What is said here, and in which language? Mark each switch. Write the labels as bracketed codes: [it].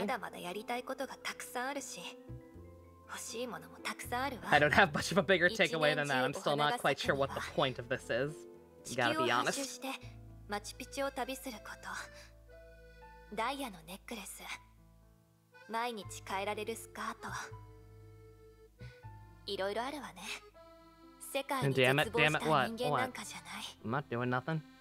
[ja] まだまだやりたいことがたくさんあるし。欲しいものもたくさんあるわ。 [en] I don't have much of a bigger takeaway than that. I'm still not quite sure what the point of this is. Gotta be honest. [ja] 地球を一周してマチュピチュを旅すること。ダイヤのネックレス。毎日変えられるスカート。いろいろあるわね。世界に絶望した人間なんかじゃない。 [en] I'm not doing nothing.